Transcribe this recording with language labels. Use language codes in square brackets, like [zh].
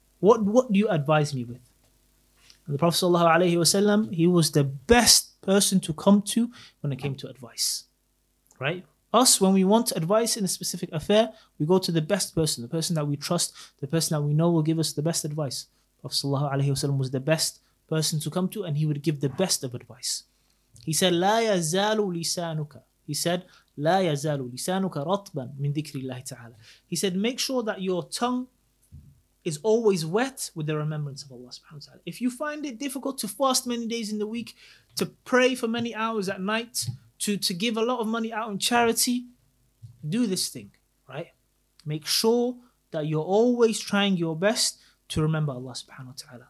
[en] What do you advise me with? And the Prophet sallallahu alayhi wasallam, he was the best person to come to when it came to advice, right? Us, when we want advice in a specific affair, we go to the best person, the person that we trust, the person that we know will give us the best advice. The Prophet sallallahu alayhi wasallam was the best person to come to, and he would give the best of advice. He said, [ar] لا يزال لسانك. [en] He said, [ar] لا يزال لسانك رطبا من ذكر الله تعالى. [en] He said, make sure that your tongue is always wet with the remembrance of Allah subhanahu wa ta'ala. If you find it difficult to fast many days in the week, to pray for many hours at night, to give a lot of money out in charity, do this thing, right? Make sure that you're always trying your best to remember Allah subhanahu wa ta'ala.